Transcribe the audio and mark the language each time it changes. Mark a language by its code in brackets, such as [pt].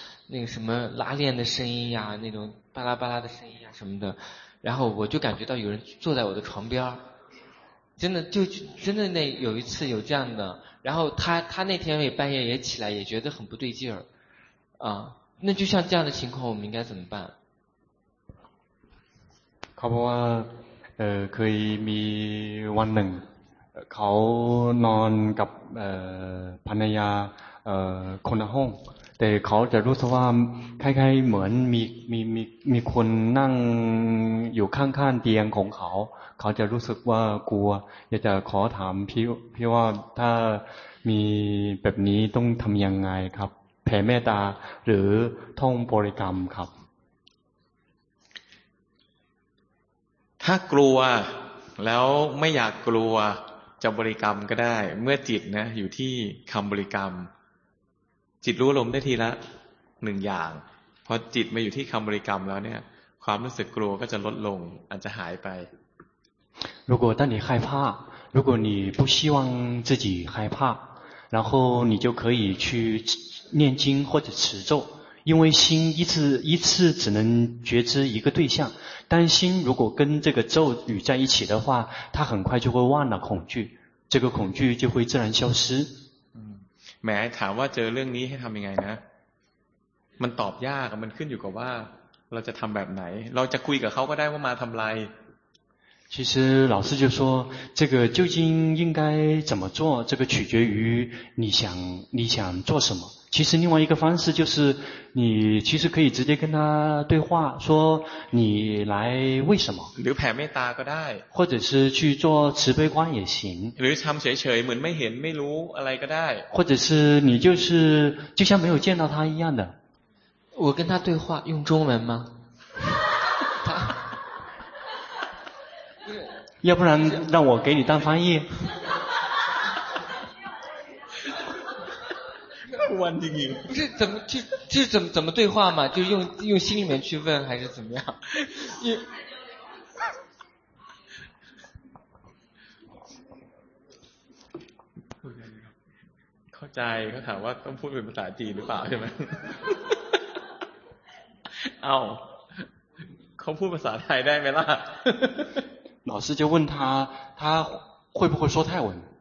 [zh] 那个什么拉链的声音呀那种巴拉巴拉的声音呀什么的然后我就感觉到有人坐在我的床边真的就真的那有一次有这样的然后他那天也半夜也起来也觉得很不对劲儿啊那就像这样的情况我们应该怎么办 [th] เขาบอกว่าเคยมีวันหนึ่งเขานอนกับภรรยาคนละห้องแต่เขาจะรู้สึกว่าคล้ายๆเหมือนมีคนนั่งอยู่ข้างๆเตียงของเขาเขาจะรู้สึกว่ากลัวอยากจะขอถามพี่ว่าถ้ามีแบบนี้ต้องทำยังไงครับแผ่เมตตาหรือท่องบริกรรมครับ ถ้ากลัวแล้วไม่อยากกลัวจะบริกรรมก็ได้เมื่อจิตนะอยู่ที่คำบริกรรมจิตรู้ลมได้ทีละหนึ่งอย่างพอจิตมาอยู่ที่คำบริกรรมแล้วเนี่ยความรู้สึกกลัวก็จะลดลงอาจจะหายไป [zh] 如果当你害怕如果你不希望自己害怕然后你就可以去念经或者持咒因为心一次只能觉知一个对象但心如果跟这个咒语在一起的话它很快就会忘了恐惧这个恐惧就会自然消失 [th] แม้ถามว่าเจอเรื่องนี้ให้ทำยังไงนะมันตอบยากมันขึ้นอยู่กับว่าเราจะทำแบบไหนเราจะคุยกับเขาก็ได้ว่ามาทำไร [zh] 其实老师就说这个究竟应该怎么做这个取决于你想做什么其实另外一个方式就是你其实可以直接跟他对话说你来为什么 [th] หรือแผ่เมตตาก็ได้ [zh] 或者是去做慈悲观也行 [th] หรือทำเฉยๆเหมือนไม่เห็นไม่รู้อะไรก็ได้ [zh] 或者是你就像没有见到他一样的我跟他对话用中文吗要不然让我给你当翻译不是怎么就怎么对话嘛就用心里面去问还是怎么样 [th] เข้าใจเขาถามว่าต้องพูดเป็นภาษาจีนหรือเปล่าใช่ไหม เอ้าเขาพูดภาษาไทยได้ไหมล่ะ [zh] 老师就问他他会不会说泰文